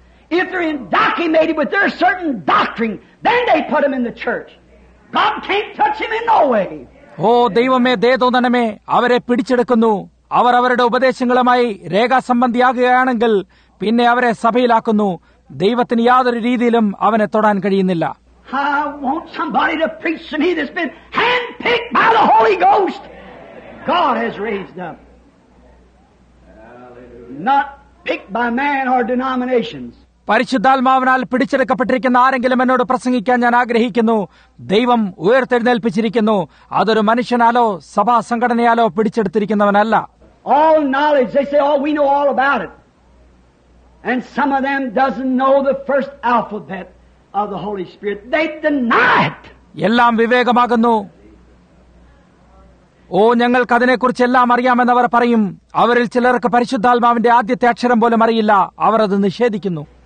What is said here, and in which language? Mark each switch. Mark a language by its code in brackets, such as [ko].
[en] If they're indoctrinated with their certain doctrine, then they put them in the church. God can't touch him in no way. [ml] ഓ ദൈവമേ, ദേതോന്നനമേ, അവരെ പിടിച്ചെടുക്കുന്നു. അവർ അവരുടെ ഉപദേശങ്ങളുമായി രേഖാസംബന്ധിയാകുകയാണെങ്കിൽ പിന്നെ അവരെ സഭയിലാക്കുന്നു. ദൈവത്തിന് യാതൊരു രീതിയിലും അവനെ തൊടാൻ കഴിയുന്നില്ല. [en] I want somebody to preach to me that's been handpicked by the Holy Ghost. God has raised up. Not picked by man or denominations. [ml] പരിശുദ്ധാത്മാവിനാൽ പിടിച്ചെടുക്കപ്പെട്ടിരിക്കുന്ന ആരെങ്കിലും എന്നോട് പ്രസംഗിക്കാൻ ഞാൻ ആഗ്രഹിക്കുന്നു. ദൈവം ഉയർത്തെഴുന്നേൽപ്പിച്ചിരിക്കുന്നു. അതൊരു മനുഷ്യനാലോ സഭാ സംഘടനയാലോ പിടിച്ചെടുത്തിരിക്കുന്നവനല്ല. [en] all knowledge. They say, oh, we know all about it. And some of them doesn't know the first alphabet of the Holy Spirit. They deny it. [ml] Yellam vivegamagunnu. ഓ ഞങ്ങൾക്ക് അതിനെക്കുറിച്ച് എല്ലാം അറിയാമെന്നവർ പറയും. അവരിൽ ചിലർക്ക് പരിശുദ്ധാത്മാവിന്റെ ആദ്യത്തെ അക്ഷരം പോലും അറിയില്ല. അവർ അത് നിഷേധിക്കുന്നു.